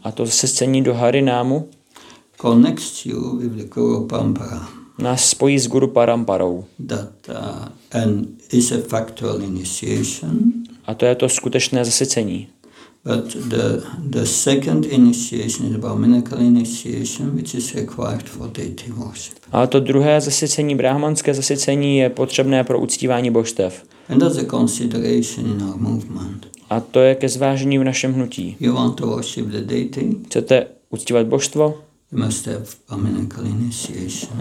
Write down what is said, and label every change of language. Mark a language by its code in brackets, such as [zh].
[cs] A to zasvěcení do Harinámu. [en] Connects you with the Guru Parampara. [cs] Nás spojí s Guru Paramparou. [en] And is a factual initiation. [cs] A to je to skutečné zasvěcení. [en] But the second initiation is Brahminical initiation, which is required for deity worship. [cs] A to druhé zasvěcení, brahmanské zasvěcení, je potřebné pro uctívání božstev. [en] And that's a consideration in our movement. [cs] A to je ke zvážení v našem hnutí. [en] You want to worship the deity? [cs] Chcete uctívat božstvo? [en] You must have Brahminical initiation.